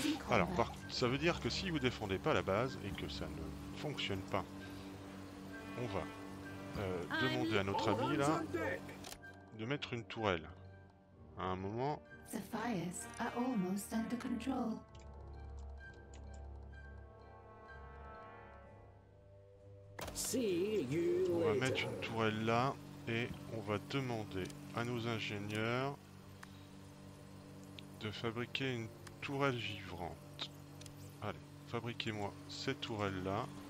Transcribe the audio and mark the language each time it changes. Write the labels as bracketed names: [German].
[French] Alors, ça veut dire que si vous défendez pas la base et que ça ne fonctionne pas, on va demander à notre ami là de mettre une tourelle. À un moment. [English] The fires are almost under control. See you later. [French] On va mettre une tourelle là et on va demander à nos ingénieurs de fabriquer une tourelle givrante. Allez, fabriquez-moi cette tourelle là.